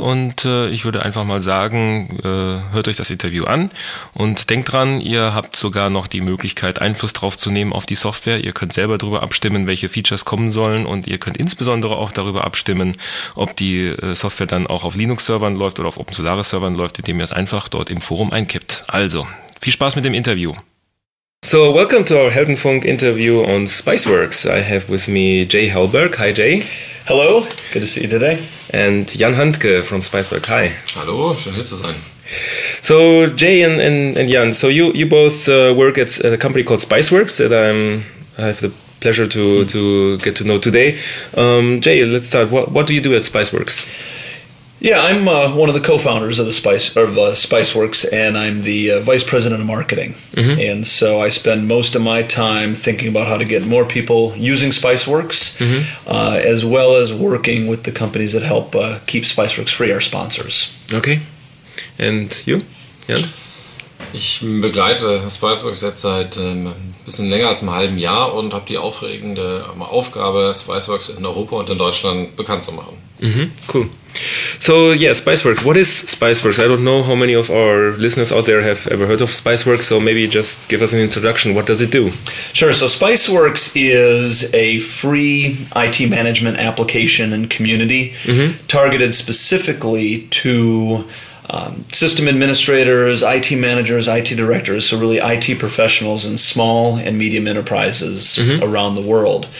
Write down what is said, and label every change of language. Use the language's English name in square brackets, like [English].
[German] Und ich würde einfach mal sagen, hört euch das Interview an und denkt dran, ihr habt sogar noch die Möglichkeit, Einfluss drauf zu nehmen auf die Software. Ihr könnt selber darüber abstimmen, welche Features kommen sollen und ihr könnt insbesondere auch darüber abstimmen, ob die Software dann auch auf Linux-Servern läuft oder auf OpenSolaris-Servern läuft, indem ihr es einfach dort im Forum einkippt. Also, viel Spaß mit dem Interview. [English] So, welcome to our Heldenfunk interview on Spiceworks. I have with me Jay Helberg. Hi, Jay. Hello. Good to see you today. And Jan Handke from Spiceworks. Hi. [German] Hallo. Schön, hier zu sein. [English] So, Jay and Jan, so you both work at a company called Spiceworks that I have the pleasure to get to know today. Jay, let's start. What do you do at Spiceworks? Yeah, I'm one of the co-founders of the Spiceworks, and I'm the vice president of marketing. Mm-hmm. And so I spend most of my time thinking about how to get more people using Spiceworks, as well as working with the companies that help keep Spiceworks free, our sponsors. Okay. And you, Jan? [German] Ich begleite Spiceworks jetzt seit ein bisschen länger als einem halben Jahr und habe die aufregende Aufgabe, Spiceworks in Europa und in Deutschland bekannt zu machen. [English] Mm-hmm. Cool. So, yeah, Spiceworks. What is Spiceworks? I don't know how many of our listeners out there have ever heard of Spiceworks, so maybe just give us an introduction. What does it do? Sure. So Spiceworks is a free IT management application and community targeted specifically to system administrators, IT managers, IT directors, so really IT professionals in small and medium enterprises around the world.